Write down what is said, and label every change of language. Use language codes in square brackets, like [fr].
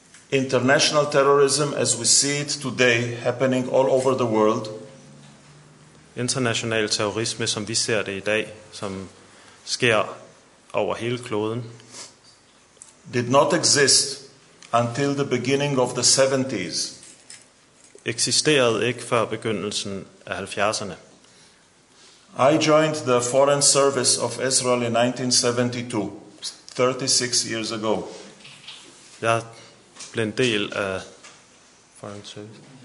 [en] International terrorism, as we see it today, happening all over the world. [da] International terrorisme, som vi ser det i dag, som sker over hele kloden. [en] Did not exist until the beginning of the 70s. [da] Eksisterede ikke før begyndelsen af 70'erne. [en] I joined the Foreign Service of Israel in 1972, 36 years ago. [da] Jeg blev en del af Foreign Service.